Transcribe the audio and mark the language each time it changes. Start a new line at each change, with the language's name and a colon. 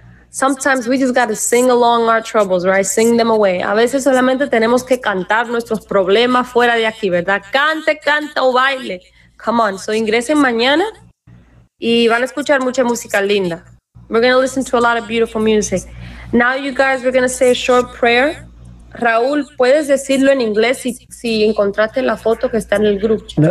English: Sometimes we just got to sing along our troubles, right? Sing them away.
Spanish: A veces solamente tenemos que cantar nuestros problemas fuera de aquí, ¿verdad? Cante, canta o baile.
English: Come on.
Spanish: So ingresen mañana y van a escuchar mucha música linda.
English: We're going to listen to a lot of beautiful music. Now you guys, we're going to say a short prayer.
Spanish: Raúl, ¿puedes decirlo en inglés si encontraste la foto que está en el grupo?